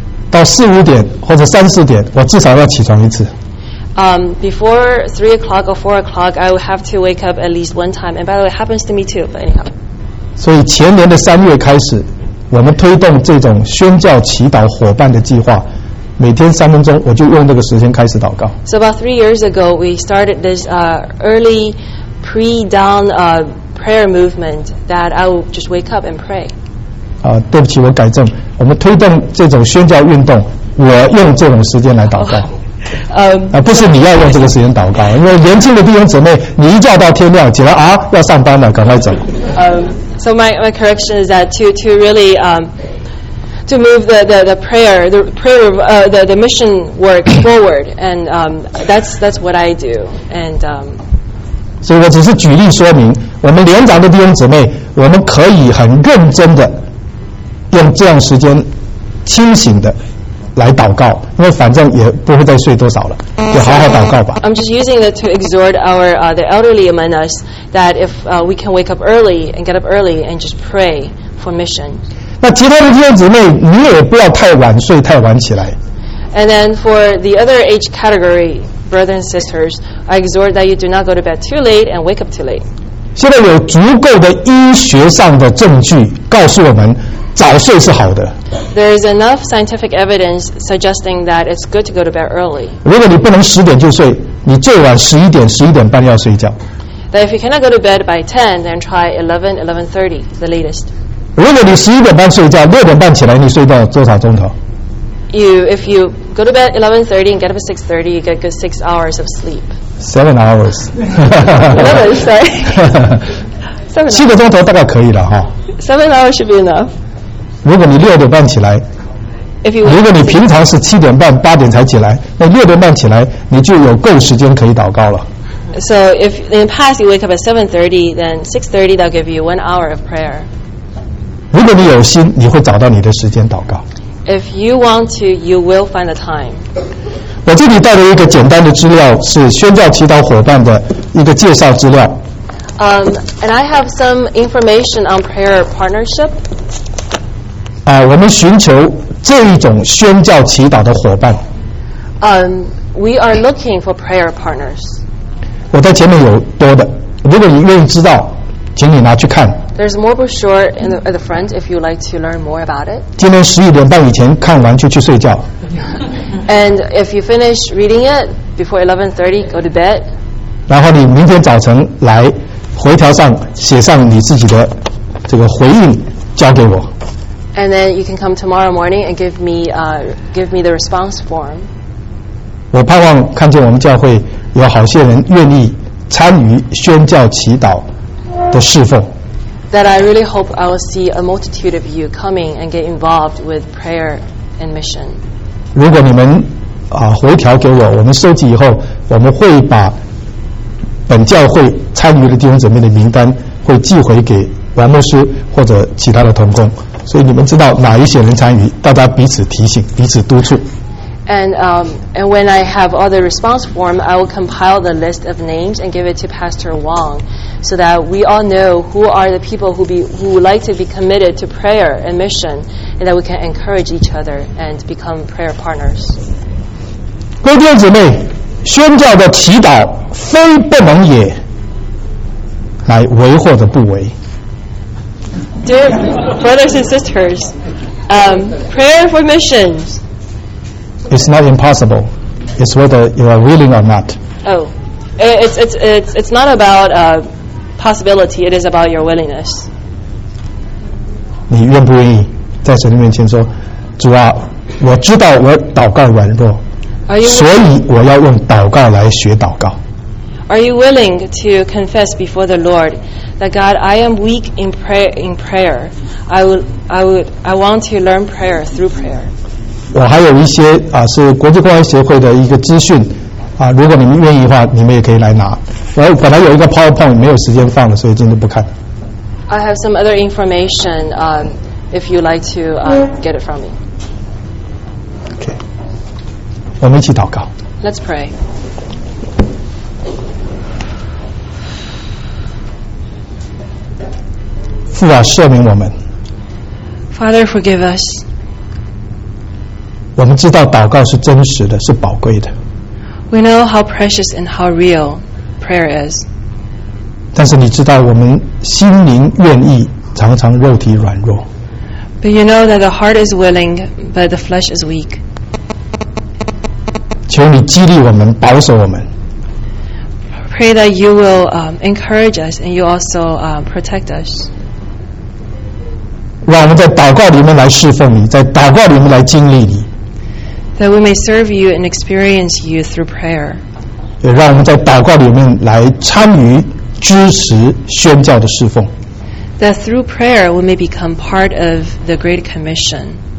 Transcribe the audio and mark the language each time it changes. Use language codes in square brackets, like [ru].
[zh] 到四五点或者三四点，我至少要起床一次。 [en] Before 3 o'clock or 4 o'clock, I would have to wake up at least one time. And by the way, it happens to me too. But anyhow. [zh] 所以前年的三月开始，我们推动这种宣教祈祷伙伴的计划。每天三分钟，我就用这个时间开始祷告。 [en] So about 3 years ago, we started this early pre-dawn prayer movement that I will just wake up and pray. [zh] 对不起，我改正。我们推动这种宣教运动，我用这种时间来祷告。 Oh, 不是你要用这个时间祷告，因为年轻的弟兄姊妹，你一觉到天亮起来啊，要上班了，赶快走。 [en] So my correction is that to really to move the prayer of the mission work forward, and that's what I do. And [zh] 所以我只是举例说明，我们连长的弟兄姊妹，我们可以很认真的用这样时间清醒的来祷告，因为反正也不会再睡多少了，就好好祷告吧。 [en] I'm just using it to exhort our the elderly among us that if we can wake up early and get up early and just pray for mission. [zh] 那其他的弟兄姊妹，你也不要太晚睡太晚起来。 [en] And then for the other age category, brothers and sisters, I exhort that you do not go to bed too late and wake up too late. [zh] 现在有足够的医学上的证据告诉我们。早睡是好的。 [en] There is enough scientific evidence suggesting that it's good to go to bed early. [zh] 如果你不能十点就睡，你最晚十一点、十一点半要睡觉。 [en] That if you cannot go to bed by 10, then try 11, 11:30, the latest. [zh] 如果你十一点半睡觉，六点半起来，你睡到多少钟头？ [en] If you go to bed 11:30 and get up at 6:30, you get a good 6 hours of sleep. 7 hours. 7 hours. [zh] 七个钟头大概可以了哈。 [en] 7 hours should be enough. [zh] 如果你六点半起来，如果你平常是七点半八点才起来，那六点半起来你就有够时间可以祷告了。 [en] So if in the past you wake up at 7:30, then 6:30 that'll give you 1 hour of prayer. [zh] 如果你有心，你会找到你的时间祷告。 [en] If you want to, you will find the time. [zh] 我这里带了一个简单的资料，是宣教祈祷伙伴的一个介绍资料。 [en] And I have some information on prayer partnership. [zh] 我们寻求这一种宣教祈祷的伙伴。 [en] We are looking for prayer partners. [zh] 我在前面有多的，如果你愿意知道，请你拿去看。 [en] There's more brochure in the, at the front if you'd like to learn more about it. [zh] 今天十一点半以前看完就去睡觉。 [en] And if you finish reading it before 11:30, go to bed. [zh] 然后你明天早晨来回条上写上你自己的这个回应，交给我。 [en] And then you can come tomorrow morning and give me the response form. [zh] 我盼望看见我们教会有好些人愿意参与宣教祈祷的侍奉。 [en] That I really hope I will see a multitude of you coming and get involved with prayer and mission. [zh] 如果你们回条给我，我们收集以后，我们会把本教会参与的弟兄姊妹的名单会寄回给王牧师或者其他的同工。所以你们知道哪一些人参与，大家彼此提醒，彼此督促。 [en] And when I have all the response form, I will compile the list of names and give it to Pastor Wong, so that we all know who are the people who would like to be committed to prayer and mission, and that we can encourage each other and become prayer partners. [zh] 各位弟兄姊妹，宣教的祈祷非不能也，乃为或者不为。 [en] Dear brothers and sisters, prayer for missions. It's not impossible. It's whether you are willing or not. Oh, it's not about possibility. It is about your willingness. [zh] 你愿不愿意在神面前说，主啊，我知道我祷告软弱，所以我要用祷告来学祷告。 [en] Are you willing to confess before the Lord that God, I am weak in prayer. I want to learn prayer through prayer. [zh] 我还有一些是国际关怀协会的一个资讯如果你们愿意的话，你们也可以来拿。我本来有一个 PowerPoint 没有时间放了，所以今天不看。 [en] I have some other information if you'd like to get it from me. [zh] Okay. 我们一起祷告。 [en] Let's pray. [zh] 父啊，赦免我们。 [en] Father, forgive us. [zh] 我们知道祷告是真实的，是宝贵的。 [en] We know how precious and how real prayer is. [zh] 但是你知道我们心灵愿意，常常肉体软弱。 [en] But you know that the heart is willing, but the flesh is weak. [zh] 求你激励我们，保守我们。 [en] Pray that you will encourage us and you also protect us. [zh] 让我们在祷告里面来侍奉你，在祷告里面来经历你。 [en] that we may serve you and experience you through prayer. [zh] 也让我们在祷告里面来参与支持宣教的侍奉。 [en] That through prayer we may become part of the Great Commission.